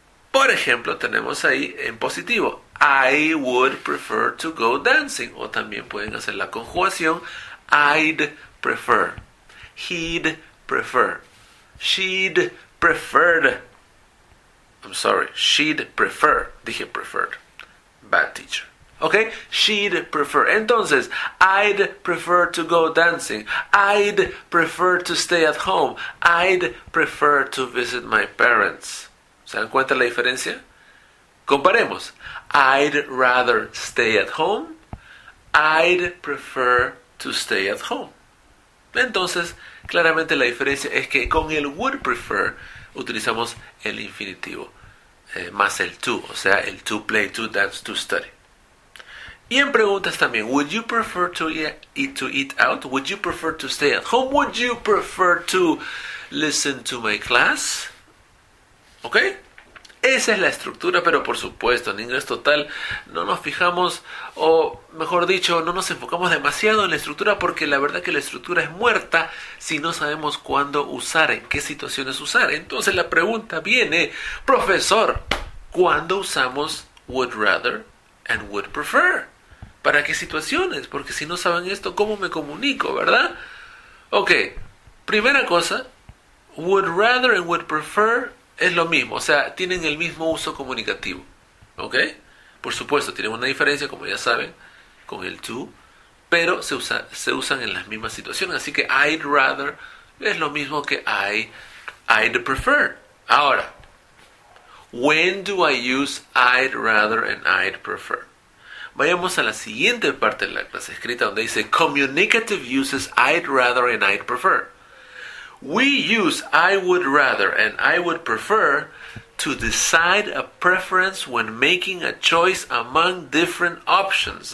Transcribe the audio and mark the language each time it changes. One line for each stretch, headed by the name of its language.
Spanish: Por ejemplo, tenemos ahí en positivo,
English: I would prefer to go dancing.
Spanish: O también pueden hacer la conjugación,
English: I'd prefer, he'd prefer, she'd preferred. I'm sorry, she'd prefer,
Spanish: dije
English: preferred, bad teacher. Ok, she'd prefer. Entonces, I'd prefer to go dancing. I'd prefer to stay at home. I'd prefer to visit my parents.
Spanish: ¿Se dan cuenta la diferencia? Comparemos.
English: I'd rather stay at home. I'd prefer to stay at home.
Spanish: Entonces, claramente la diferencia es que con el would prefer utilizamos el infinitivo más el to. O sea, el to play, to dance, to study. Y en preguntas también.
English: Would you prefer to eat out? Would you prefer to stay at home? Would you prefer to listen to my class?
Spanish: ¿Ok? Esa es la estructura, pero por supuesto, en inglés total no nos fijamos, o mejor dicho, no nos enfocamos demasiado en la estructura porque la verdad que la estructura es muerta si no sabemos cuándo usar, en qué situaciones usar. Entonces la pregunta viene, profesor, ¿cuándo usamos would rather and would prefer? ¿Para qué situaciones? Porque si no saben esto, ¿cómo me comunico, verdad? Ok, primera cosa, would rather and would prefer es lo mismo, o sea, tienen el mismo uso comunicativo, ¿ok? Por supuesto, tienen una diferencia, como ya saben, con el to, pero se usan en las mismas situaciones. Así que I'd rather es lo mismo que I'd prefer.
English: Ahora, when do I use I'd rather and I'd prefer?
Spanish: Vayamos a la siguiente parte de la clase escrita donde dice
English: communicative uses I'd rather and I'd prefer. We use I would rather and I would prefer to decide a preference when making a choice among different options.